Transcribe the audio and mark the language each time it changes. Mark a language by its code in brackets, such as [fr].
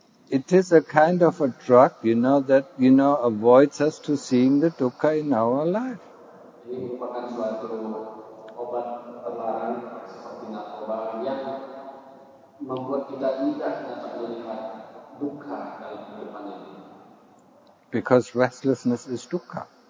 [en] It is a kind of a drug, you know, that, you know, avoids us to seeing the dukkha in our life. [id] Ini merupakan suatu obat terlarang seperti narkoba. kebaran yang membuat kita tidak dapat melihat dukkha dalam kehidupan ini. [en] Because restlessness is dukkha.